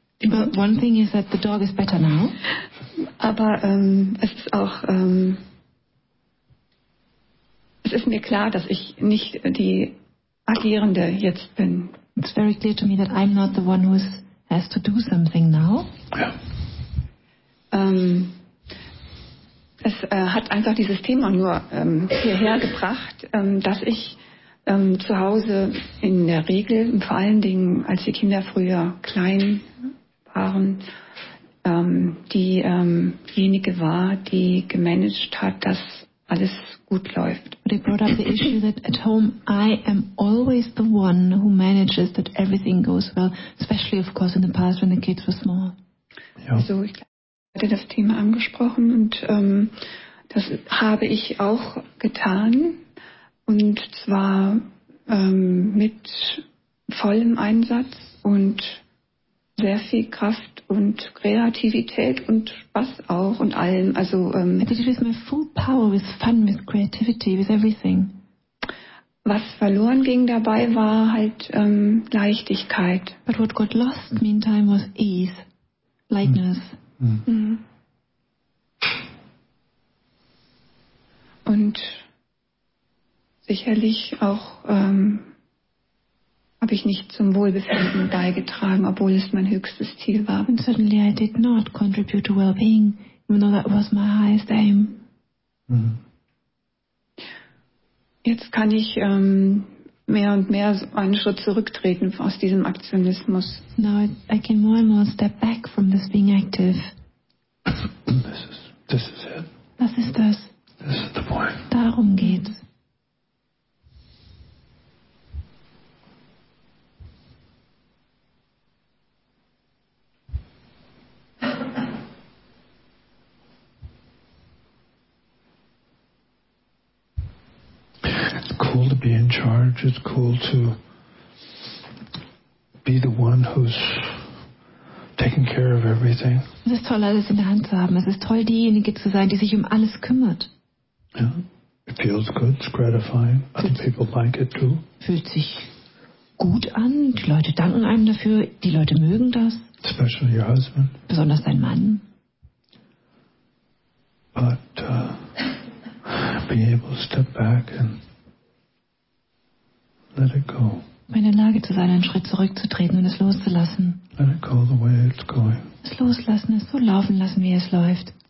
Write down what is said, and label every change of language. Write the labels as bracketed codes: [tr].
[en] But one thing is that the dog is better now. [de] Aber es ist auch es ist mir klar, dass ich nicht die Agierende jetzt bin. [en] It's very clear to me that I'm not the one who has to do something now. [de] Es hat einfach dieses Thema nur hierher gebracht, dass ich zu Hause in der Regel, vor allen Dingen als die Kinder früher klein waren, diejenige war, die gemanagt hat, dass alles gut läuft. [en] But it brought up the issue that at home I am always the one who manages that everything goes well, especially of course in the past when the kids were small. [de] Ja. Also ich hatte das Thema angesprochen und das habe ich auch getan und zwar mit vollem Einsatz und sehr viel Kraft und Kreativität und Spaß auch und allem. Also, [en] I did it with my full power, with fun, with creativity, with everything. [de] Was verloren ging dabei, war halt Leichtigkeit. [en] But what got lost meantime was ease, lightness. [de] Und sicherlich auch habe ich nicht zum Wohlbefinden beigetragen, obwohl es mein höchstes Ziel war. [en] And certainly I did not contribute to well-being, even though that was my highest aim. Mm. [de] Jetzt kann ich mehr und mehr einen Schritt zurücktreten aus diesem Aktionismus. [en] Now I can more and more step back from this being active. This is it. [de] Das ist das. [en] This is the point. [de] Darum geht's. [en] Cool to be in charge. It's cool to be the one who's taking care of everything. [de] Es ist toll, alles in der Hand zu haben. Es ist toll, diejenige zu sein, die sich um alles kümmert. [en] Yeah. It feels good. It's gratifying. Other people like it too. [de] Fühlt sich gut an. Die Leute danken einem dafür. Die Leute mögen das. [en] Especially your husband. [de] Besonders dein Mann. [en] But being able to step back and let it go. [de] In der Lage zu sein, einen Schritt zurückzutreten und es loszulassen. [en] Let it go the way it's going. [de] Es loslassen, es so laufen lassen, wie es läuft.